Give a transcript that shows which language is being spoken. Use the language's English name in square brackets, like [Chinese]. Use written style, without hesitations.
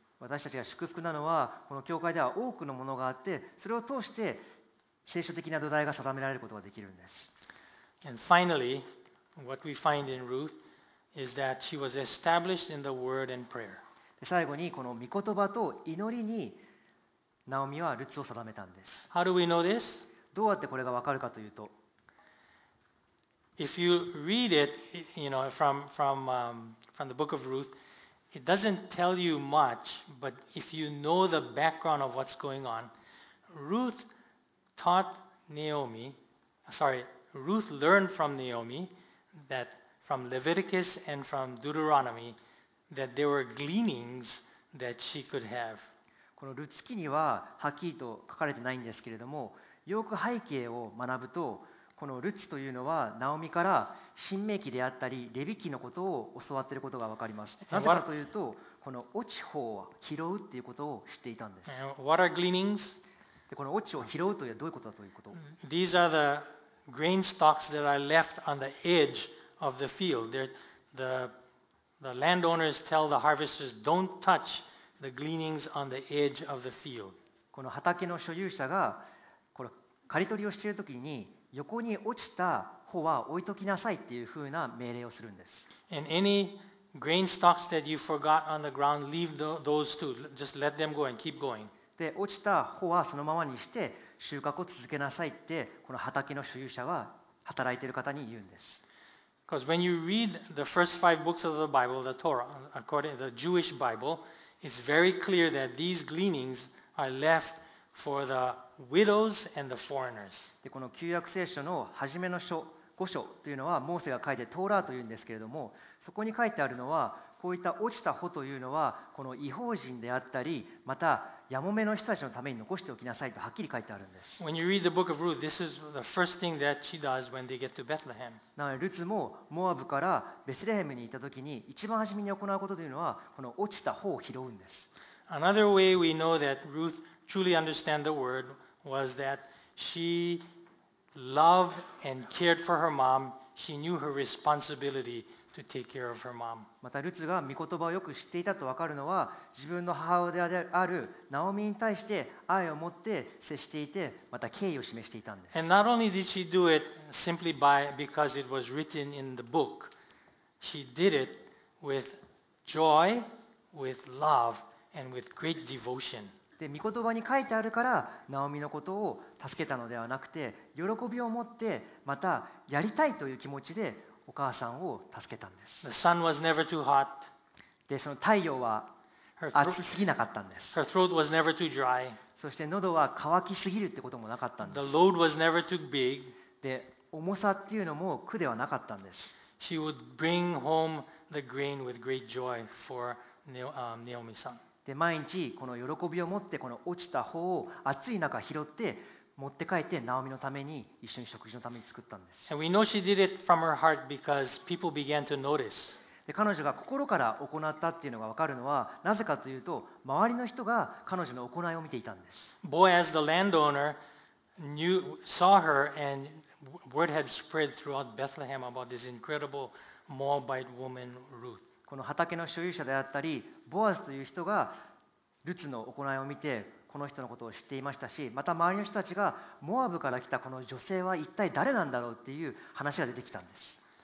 [Japanese] 私たちが祝福なのは、この教会では多くのものがあって、それを通して聖書的な土台が定められることができるんです。 [English] And finally, what we find in Ruth is that she was established in the word and prayer. [Japanese] 最後にこの御言葉と祈りにナオミはルツを定めたんです。 [English] How do we know this? [Japanese] どうやってこれがわかるかというと、 [English] If you read it, you know, from the book of Ruth, it doesn't tell you much, but if you know the background of what's going on, RuthRuth learned from Naomi that from Leviticus and from Deuteronomy that there were gleanings that she could have. [Japanese] このルツ記にははっきりと書かれてないんですけれども、よく背景を学ぶと、このルツというのはナオミから申命記であったりレビ記のことを教わっていることがわかります。なぜかというと、この落ち穂を拾うということを知っていたんです。 [English] What are gleanings? [Japanese] この落ちを拾うとはどういうことだということ。 [English] These are the grain stalks that are left on the edge of the field. The landowners tell the harvesters, don't touch the gleanings on the edge of the field. [Japanese] この畑の所有者がこれ刈り取りをしているときに横に落ちた穂は置いときなさいっていうふうな命令をするんです。 [English] And any grain stalks that you forgot on the ground, leave those too. Just let them go and keep going. [Japanese] で落ちた穂はそのままにして収穫を続けなさいってこの畑の所有者は働いている方に言うんです。 [English] Because when you read the first five books of the Bible, the Torah, according to the Jewish Bible, it's very clear that these gleanings are left for the widows and the foreigners. [Japanese] でこの旧約聖書の初めの書五章というのはモーセが書いてトーラーというんですけれども、そこに書いてあるのはこういった落ちた穂というのはこの異邦人であったりまたやもめの人たちのために残しておきなさいとはっきり書いてあるんです。 [English] When you read the book of Ruth, this is the first thing that she does when they get to Bethlehem. [Japanese] なので、ルツもモアブからベツレヘムに行ったときに一番初めに行うことというのはこの落ちた穂を拾うんです。 [English] Another way we know that Ruth truly understood the word was that she loved and cared for her mom. She knew her responsibility. To take care of her mom. [Japanese] またルツが御言葉をよく知っていたと分かるのは自分の母親であるナオミに対して愛を持って接していてまた敬意を示していたんです。 [English] And not only did she do it simply because it was written in the book, she did it with joy, with love, and with great devotion. [Japanese] で御言葉に書いてあるからナオミのことを助けたのではなくて喜びを持ってまたやりたいという気持ちでお母さんを助けたんです。 [English] The sun was never too hot. [Japanese] で、その太陽は暑すぎなかったんです。 [English] Her throat was never too dry. [Japanese] そして喉は乾きすぎるってこともなかったんです。 [English] The load was never too big. [Japanese] で、重さっていうのも苦ではなかったんです。 [English] She would bring home the grain with great joy for Naomi-san. [Japanese] で、毎日この喜びを持ってこの落ちた穂を暑い中拾って持って帰ってナオミのために一緒に食事のために作ったんです。 [English] And we know she did it from her heart because people began to notice. [Japanese] で彼女が心から行ったっていうのが分かるのはなぜかというと周りの人が彼女の行いを見ていたんです。 [English] Boaz, the landowner, saw her and word had spread throughout Bethlehem about this incredible Moabite woman Ruth. [Japanese] この畑の所有者であったり、ボアズという人がルツの行いを見て、この人のことを知っていましたし、また周りの人たちがモアブから来たこの女性は一体誰なんだろうっていう話が出てきたんです。